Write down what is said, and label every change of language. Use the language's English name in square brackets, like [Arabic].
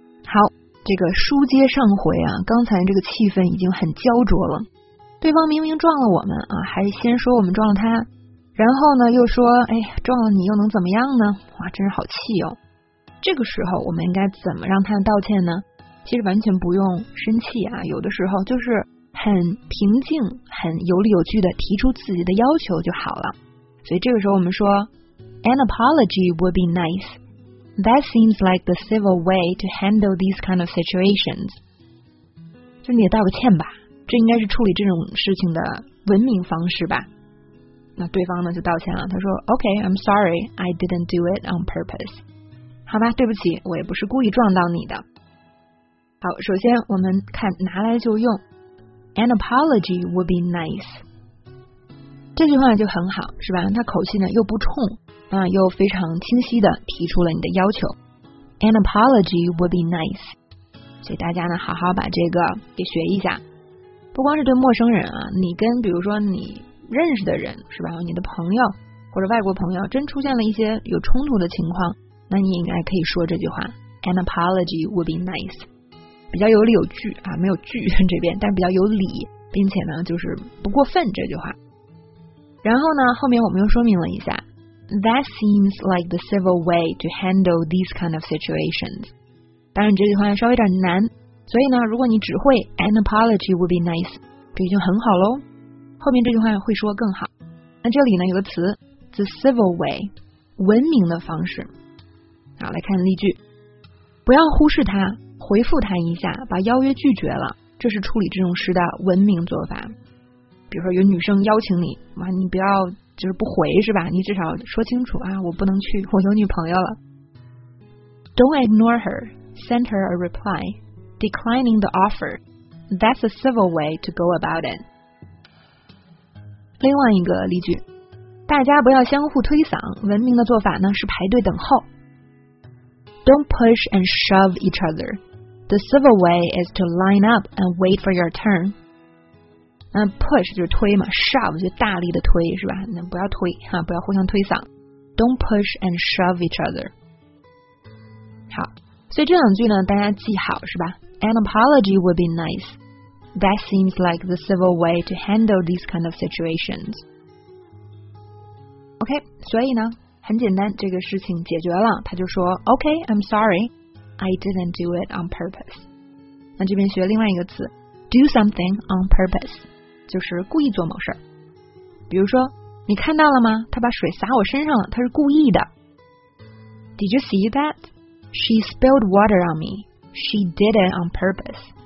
[Chinese] 好，这个书接上回啊，刚才这个气氛已经很焦灼了，对方明明撞了我们啊，还先说我们撞了他，然后呢又说哎，撞了你又能怎么样呢，哇真是好气哦。这个时候我们应该怎么让他道歉呢？其实完全不用生气啊，有的时候就是很平静很有理有据的提出自己的要求就好了。所以这个时候我们说 [English] An apology would be nice. That seems like the civil way to handle these kind of situations. [Chinese] 就你也道个歉吧，这应该是处理这种事情的文明方式吧。那对方呢就道歉了，他说 [English] OK, I'm sorry, I didn't do it on purpose. [Chinese] 好吧，对不起，我也不是故意撞到你的。好，首先我们看拿来就用， [English] An apology would be nice. [Chinese] 这句话就很好，是吧？他口气呢又不冲，又非常清晰地提出了你的要求。 [English] An apology would be nice. [Chinese] 所以大家呢，好好把这个给学一下。不光是对陌生人啊，你跟比如说你认识的人，是吧？你的朋友或者外国朋友，真出现了一些有冲突的情况，那你也应该可以说这句话。 [English] An apology would be nice. [Chinese] 比较有理有据啊，没有据这边，但比较有理，并且呢就是不过分这句话。然后呢后面我们又说明了一下， [English] That seems like the civil way to handle these kind of situations. [Chinese] 当然这句话稍微有点难，所以呢如果你只会 [English] An apology would be nice, [Chinese] 这已经很好咯，后面这句话会说更好。那这里呢有个词 [English] The civil way, [Chinese] 文明的方式。好，来看例句。不要忽视它，回复他一下，把邀约拒绝了，这是处理这种事的文明做法。比如说有女生邀请你，哇，你不要就是不回是吧，你至少说清楚啊，我不能去，我有女朋友了。 [English] Don't ignore her, send her a reply, declining the offer, that's a civil way to go about it. [Chinese] 另外一个例句，大家不要相互推搡，文明的做法呢是排队等候。 [English] Don't push and shove each other. The civil way is to line up and wait for your turn. [Chinese] 那 push 就是推嘛， shove 就大力的推是吧，那不要推哈，不要互相推搡。 [English] Don't push and shove each other. [Chinese] 好，所以这两句呢大家记好是吧， [English] An apology would be nice. That seems like the civil way to handle these kind of situations. [Chinese] OK, 所以呢很简单，这个事情解决了，他就说 [English] OK, I'm sorry, I didn't do it on purpose. [Chinese] 那这边学另外一个词， [English] Do something on purpose, [Chinese] 就是故意做某事。比如说你看到了吗，他把水洒我身上了，他是故意的。 [English] Did you see that? She spilled water on me. She did it on purpose.